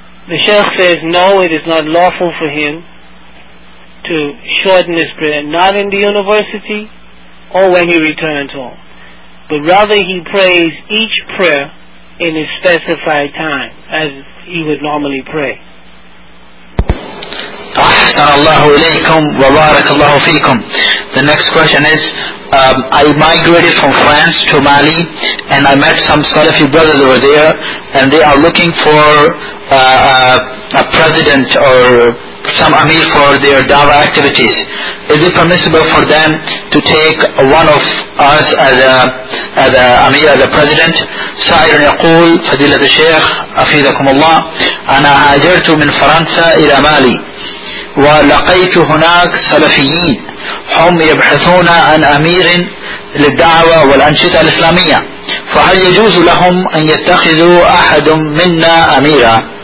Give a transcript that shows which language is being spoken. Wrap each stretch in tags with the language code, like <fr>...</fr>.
<en>The Sheikh says no, it is not lawful for him to shorten his prayer, not in the university or when he returns home, but rather he prays each prayer in his specified time as he would normally pray.</en> <ar>أحسن الله إليكم وبارك الله فيكم.</ar> <en>The next question is, I migrated from France to Mali and I met some Salafi brothers over there and they are looking for a president or some Amir for their Dawah activities. Is it permissible for them to take one of us as a Amir, as a president?</en> <ar>سائر يقول فضيلة الشيخ أفيدكم الله أنا هاجرت من فرنسا إلى مالي ولقيت هناك سلفيين هم يبحثون عن أمير للدعوة والأنشطة الإسلامية فهل يجوز لهم أن يتخذوا أحد منا أميرا؟</ar>